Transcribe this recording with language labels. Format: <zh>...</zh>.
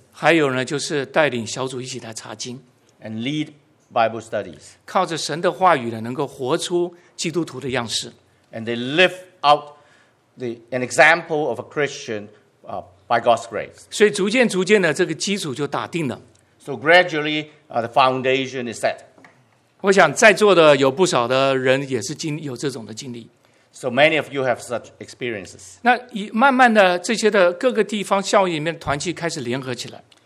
<zh>还有呢，就是带领小组一起来查经</zh> <en>，and lead Bible studies.</en> <zh>靠着神的话语呢，能够活出基督徒的样式</zh> <en>，and they live out an example of a Christian by God's grace.</en> <zh>所以逐渐逐渐的，这个基础就打定了。</zh> <en>So gradually, the foundation is set.</en> <zh>我想在座的有不少的人也是有这种的经历。</zh> <en>So many of you have such experiences.</en> <zh>那慢慢的，这些的各个地方校园里面团契开始联合起来。</zh>